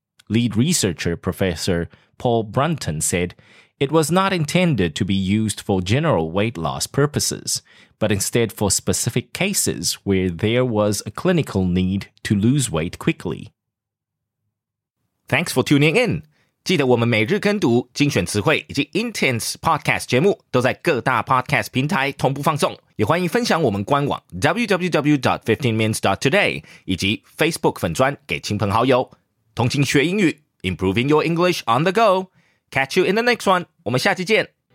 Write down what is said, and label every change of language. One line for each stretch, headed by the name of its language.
English: Lead researcher Professor Paul Brunton said, "It was not intended to be used for general weight loss purposes, but instead for specific cases where there was a clinical need to lose weight quickly." Thanks for tuning in.
Chinese: 记得我们每日跟读精选词汇以及 Intense Podcast 节目都在各大 Podcast 平台同步放送。也欢迎分享我们官网 www.15mins.today 以及 Facebook 粉专给亲朋好友。同情学英语
English: ,improving your English on the go. Catch you in the next one.
Chinese: 我们下期见。